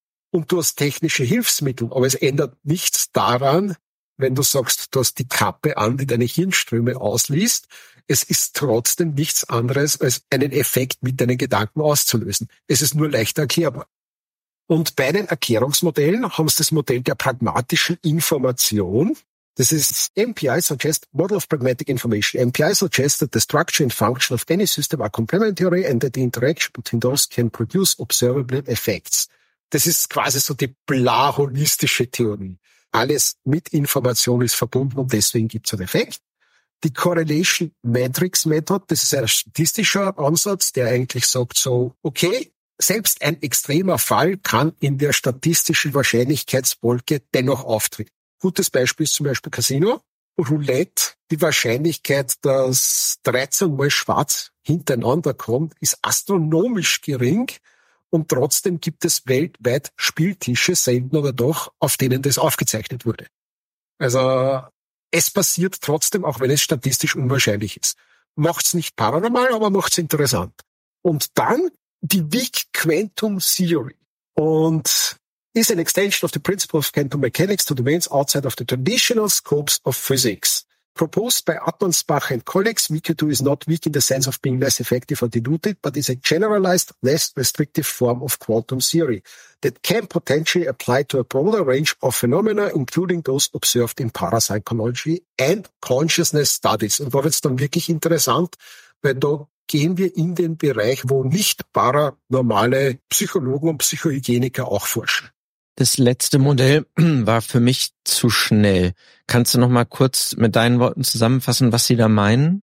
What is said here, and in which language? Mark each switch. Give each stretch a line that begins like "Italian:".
German: Und du hast technische Hilfsmittel, aber es ändert nichts daran, wenn du sagst, du hast die Kappe an, die deine Hirnströme ausliest. Es ist trotzdem nichts anderes, als einen Effekt mit deinen Gedanken auszulösen. Es ist nur leichter erklärbar. Und bei den Erklärungsmodellen haben sie das Modell der pragmatischen Information. Das ist
English: MPI suggests model of pragmatic information. MPI suggests that the structure and function of any system are complementary and that the interaction between those can produce observable effects.
German: Das ist quasi so die blaholistische Theorie. Alles mit Information ist verbunden und deswegen gibt es einen Effekt. Die Correlation Matrix Method, das ist ein statistischer Ansatz, der eigentlich sagt so, okay, selbst ein extremer Fall kann in der statistischen Wahrscheinlichkeitswolke dennoch auftreten. Gutes Beispiel ist zum Beispiel Casino, Roulette. Die Wahrscheinlichkeit, dass 13 Mal schwarz hintereinander kommt, ist astronomisch gering. Und trotzdem gibt es weltweit Spieltische, selten oder doch, auf denen das aufgezeichnet wurde. Also es passiert trotzdem, auch wenn es statistisch unwahrscheinlich ist. Macht es nicht paranormal, aber macht es interessant. Und dann die Weak Quantum Theory.
English: Und is an extension of the principle of quantum mechanics to domains outside of the traditional scopes of physics. Proposed by Atmansbach and colleagues, VQ2 is not weak in the sense of being less effective or diluted, but is a generalized, less restrictive form of quantum theory that can potentially apply to a broader range of phenomena, including those observed in parapsychology and consciousness studies.
German: Und da wird es dann wirklich interessant, weil da gehen wir in den Bereich, wo nicht paranormale Psychologen und Psychohygieniker auch forschen. Das letzte Modell war für mich zu schnell. Kannst du noch mal kurz mit deinen Worten zusammenfassen, was Sie da meinen?